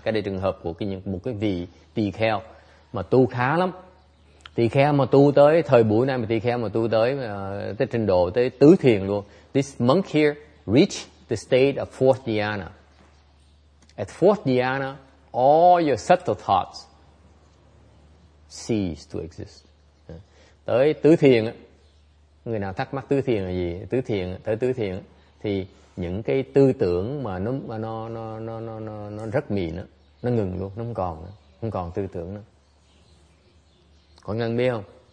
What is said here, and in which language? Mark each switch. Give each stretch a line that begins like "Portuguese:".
Vietnamese: Cái đây trường hợp của một cái vị tỳ kheo mà tu khá lắm. Tỳ kheo mà tu tới thời buổi này, mà tỳ kheo mà tu tới tới trình độ tới tứ thiền luôn.
English: This monk here reached the state of fourth dhyana. At fourth dhyana, all your subtle thoughts cease to exist.
Vietnamese: Tới tứ thiền, người nào thắc mắc tứ thiền là gì? Tứ thiền, tới tứ thiền thì những cái tư tưởng mà nó rất mịn, nó ngừng luôn, nó không còn nữa, không còn tư tưởng nữa. Có ngân biết không?